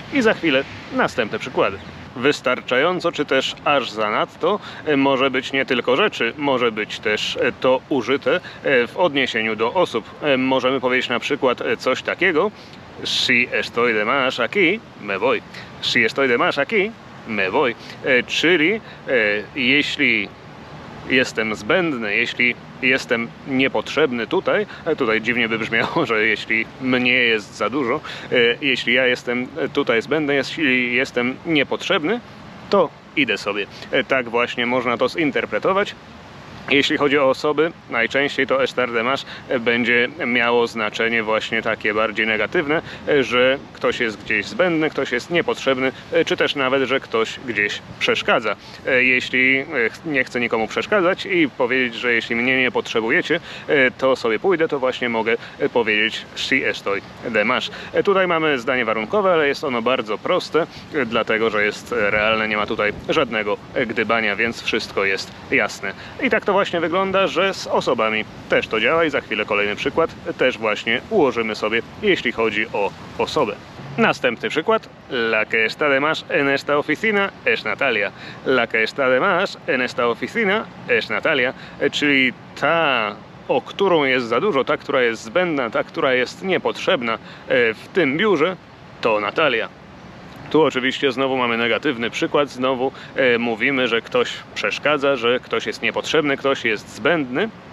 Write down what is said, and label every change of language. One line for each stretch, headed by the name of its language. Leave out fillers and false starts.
Polish: I za chwilę następne przykłady. Wystarczająco, czy też aż zanadto, może być nie tylko rzeczy, może być też to użyte w odniesieniu do osób. Możemy powiedzieć na przykład coś takiego:
Spanish: si estoy de más aquí, me voy. Si estoy de más aquí, me voy.
Polish: Czyli jeśli jestem zbędny, jeśli jestem niepotrzebny tutaj, tutaj dziwnie by brzmiało, że jeśli mnie jest za dużo, jeśli ja jestem tutaj zbędny, jeśli jestem niepotrzebny, to idę sobie. Tak właśnie można to zinterpretować. Jeśli chodzi o osoby, najczęściej to estar de más będzie miało znaczenie właśnie takie bardziej negatywne, że ktoś jest gdzieś zbędny, ktoś jest niepotrzebny, czy też nawet, że ktoś gdzieś przeszkadza. Jeśli nie chcę nikomu przeszkadzać i powiedzieć, że jeśli mnie nie potrzebujecie, to sobie pójdę, to właśnie mogę powiedzieć
Spanish: si estoy de más.
Polish: Tutaj mamy zdanie warunkowe, ale jest ono bardzo proste, dlatego że jest realne, nie ma tutaj żadnego gdybania, więc wszystko jest jasne. I tak to właśnie wygląda, że z osobami też to działa i za chwilę kolejny przykład też właśnie ułożymy sobie, jeśli chodzi o osobę. Następny przykład.
Spanish: La que está de más en esta oficina es Natalia. La que está de más en esta oficina es Natalia.
Polish: Czyli ta, o którą jest za dużo, ta, która jest zbędna, ta, która jest niepotrzebna w tym biurze, to Natalia. Tu oczywiście znowu mamy negatywny przykład, znowu mówimy, że ktoś przeszkadza, że ktoś jest niepotrzebny, ktoś jest zbędny.